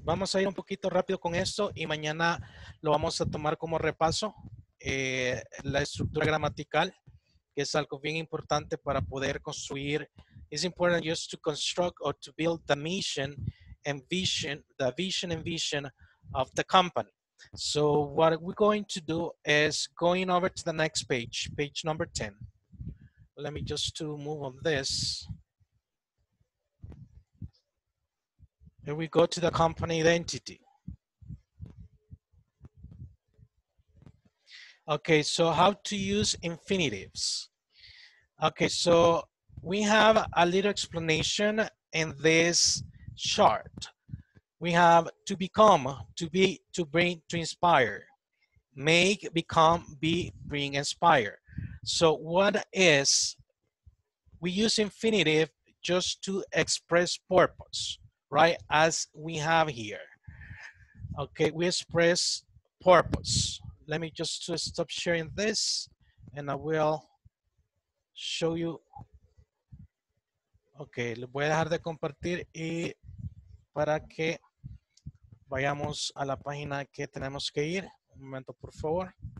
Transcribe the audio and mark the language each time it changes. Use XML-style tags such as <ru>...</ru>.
<es>Vamos a ir un poquito rápido con esto y mañana lo vamos a tomar como repaso. La estructura gramatical, que es algo bien importante para poder construir.</es> <en>It's important just to construct or to build the mission and vision, the vision and vision of the company. So what we're going to do is going over to the next page, page number 10. Let me just to move on this. Here we go to the company identity. Okay, so how to use infinitives. Okay, so we have a little explanation in this chart. We have to become, to be, to bring, to inspire. Make, become, be, bring, inspire. So what is, we use infinitive just to express purpose. Right, as we have here. Okay, we express purpose. Let me just to stop sharing this and I will show you.</en> <es>Okay, le voy a dejar de compartir y para que vayamos a la página que tenemos que ir. Un momento, por favor.</es>